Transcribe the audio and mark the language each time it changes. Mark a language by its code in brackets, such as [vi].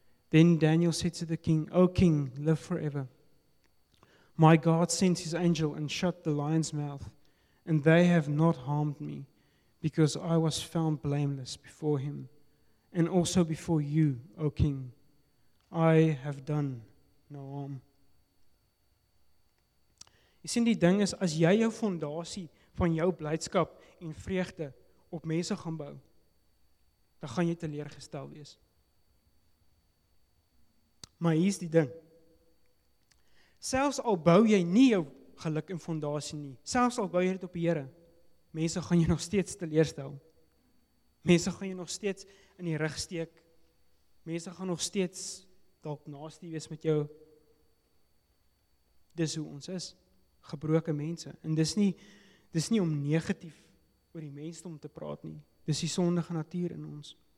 [en] Then Daniel said to the king, O king, live forever. My God sent his angel and shut the lion's mouth, and they have not harmed me, because I was found blameless before him, and also before you, O king. I have done no harm. [af] Jy sien, die ding is, as jy jou fondasie van jou blydskap en vreugde op mense gaan bou, dan gaan jy teleurgestel wees. Maar hier is die ding. Selfs al bou jy nie jou geluk en fondasie nie, selfs al bou jy dit op die Here, mense gaan jy nog steeds teleurstel. Mense gaan jy nog steeds in die rug steek. Mense gaan nog steeds dalk naaste wees met jou. Dis hoe ons is, gebroke mense. En dis nie om negatief oor die mense om te praat nie. Dis die sondige natuur in ons.